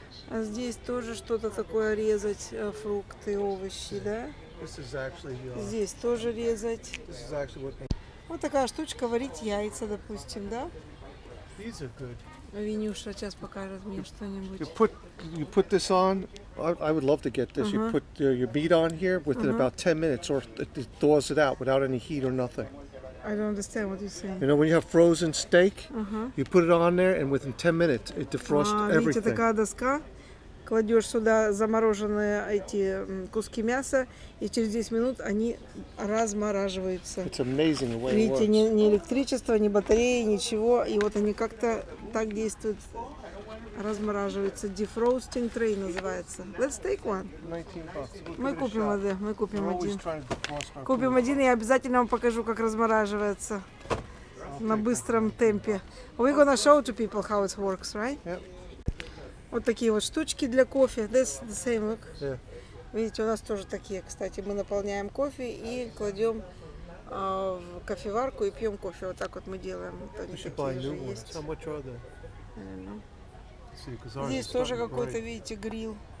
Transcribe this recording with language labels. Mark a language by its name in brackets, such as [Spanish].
[Russian] А здесь тоже что-то такое резать, фрукты, овощи, да? Здесь тоже резать. Вот такая штучка, варить яйца, допустим, да? Винюша сейчас покажет мне что-нибудь. [English] You put this on. I would love to get this. You put your meat on here within about 10 minutes, or it thaws it out without any heat or nothing. I don't understand what you're saying. You know, when you have frozen steak, you put it on there, and within 10 minutes, it defrosts everything. [Russian] Видите, такая доска. Кладешь сюда замороженные эти куски мяса, и через 10 минут они размораживаются. [English] It's amazing the way [Russian] видите, [English] it works. [Russian] Видите, ни электричества, ни батареи, ничего. И вот они как-то так действуют, размораживаются. [English] Defrosting tray [Russian] называется. [English] Let's take one. [Russian] Мы купим один. Купим один, и я обязательно вам покажу, как размораживается на быстром темпе. [English] We're gonna show to people how it works, right? Yep. [Russian] Вот такие вот штучки для кофе. [English] This the same look. Yeah. [Russian] Видите, у нас тоже такие, кстати. Мы наполняем кофе и кладем в кофеварку и пьем кофе. Вот так вот мы делаем. Вот они такие же есть. [English] How much are they? See, [Russian] здесь тоже какой-то, видите, грил.